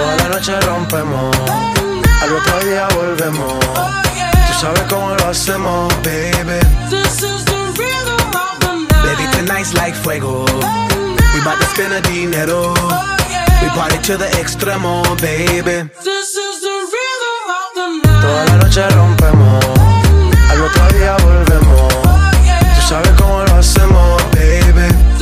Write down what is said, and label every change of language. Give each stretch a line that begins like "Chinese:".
Spanish: noche rompemos, al otro día volvemos. Tú sabes cómo lo hacemos, baby.
English: This is the rhythm of the night. Baby, tonight's like fuego. Oh, we bout to spend a dinero. Oh, yeah. We party to the extremo, baby. This is the rhythm of the night.
Spanish: Toda la noche rompemos, al otro día volvemos.
English: Oh, yeah.
Spanish: Tú sabes cómo lo hacemos, baby.